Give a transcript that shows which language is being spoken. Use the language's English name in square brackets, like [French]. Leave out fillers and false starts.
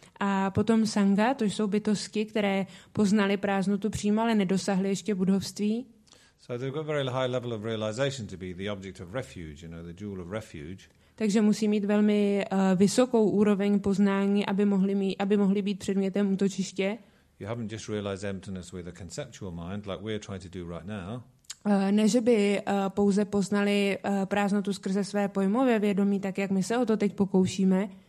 [Czech] A potom sangha, to jsou bytosti, které poznali prázdnotu přímo, ale nedosáhli ještě budhovství. [English] So they've got a very high level of realization to be the object of refuge, you know, the jewel of refuge. [Czech] Takže musí mít velmi vysokou úroveň poznání, aby mohli být předmětem útočiště. [English] You haven't just realized emptiness with a conceptual mind, like we're trying to do right now. [Czech] Ne, že by pouze poznali prázdnotu skrze své pojmové vědomí, tak jak my se o to teď pokoušíme.